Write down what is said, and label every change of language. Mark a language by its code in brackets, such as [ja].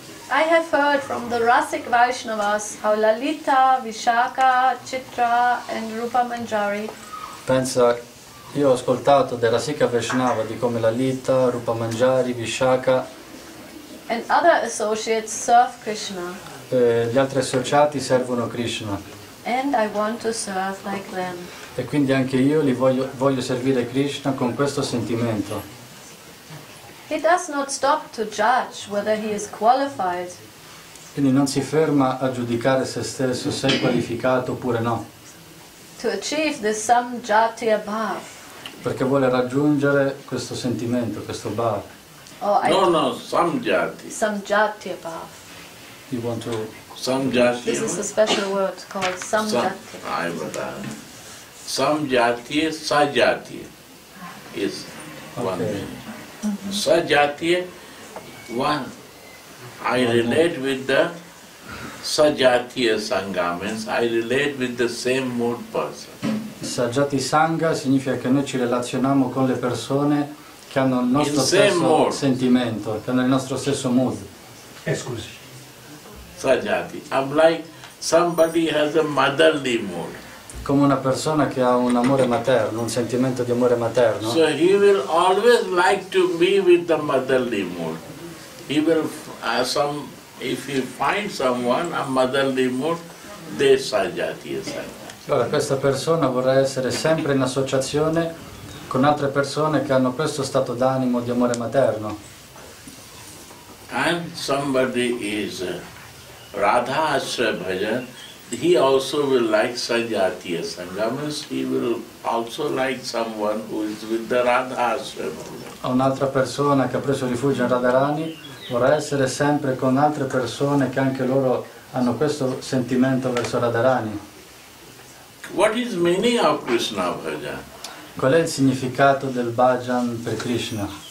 [en] I have heard from the rasic Vaishnavas how Lalita, Vishaka, Chitra and Rupa Manjari. [it] Pensa, io ho ascoltato della rasica Vaishnava di come Lalita, Rupa Manjari, Vishaka. [en] And other associates serve Krishna. [it] Gli altri associati servono Krishna. [en] And I want to serve like them. [it] E quindi anche io li voglio servire Krishna con questo sentimento. [en] He does not stop to judge whether he is qualified. [it] Quindi non si ferma a giudicare se stesso, se è qualificato oppure no. [en] To achieve this samjati bhav. [it] Perché vuole raggiungere questo sentimento, questo bhav. [en] No, samjati. Samjati bhav. You want to... Samjati. This is a special word called samjati. I would ask. Samjatiya, sajatiya is one meaning. Okay. Sajatiya, one. I relate with the sajatiya sangha, means I relate with the same mood person. [it] Sajati sangha significa che noi ci relazioniamo con le persone che hanno il nostro stesso sentimento, che hanno il nostro stesso mood. [en] Excuse. Sajati. I'm like somebody has a motherly mood. [it] Come una persona che ha un amore materno, un sentimento di amore materno. [en] So he will always like to be with the motherly mood. He will if he finds someone a motherly mood, they sajati sangha. [it] Allora questa persona vorrà essere sempre in associazione con altre persone che hanno questo stato d'animo di amore materno. [en] And somebody is Radha Ashraya Bhajan, he also will like Sajatiya Sangha, means he will also like someone who is with the Radha Ashraya Bhajan. [it] Un'altra persona che ha preso rifugio in Radharani vorrà essere sempre con altre persone che anche loro hanno questo sentimento verso Radharani. [en] What is meaning of Krishna Bhajan? [it] Qual è il significato del Bhajan per Krishna?